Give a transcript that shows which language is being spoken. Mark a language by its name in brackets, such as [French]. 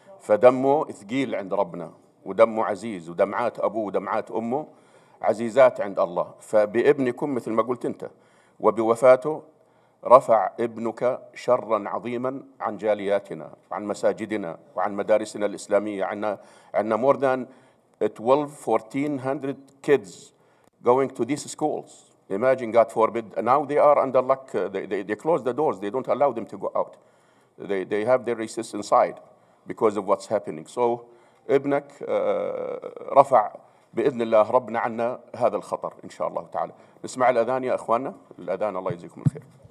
[Arabic] فدمه ثقيل عند ربنا، ودمه عزيز، ودمعات أبوه ودمعات أمه عزيزات عند الله. فبابنكم مثل ما قلت أنت، وبوفاته رفع ابنك شرا عظيما عن جالياتنا، عن مساجدنا وعن مدارسنا الإسلامية. عندنا [English] more than 1,200 kids going to these schools. Imagine, God forbid, now they are under lock. They close the doors. They don't allow them to go out. They have their recess inside because of what's happening. [Arabic] So, ابنك رفع بإذن الله ربنا عنا هذا الخطر إن شاء الله تعالى. نسمع الأذان يا إخواننا. الأذان الله يجزيكم الخير.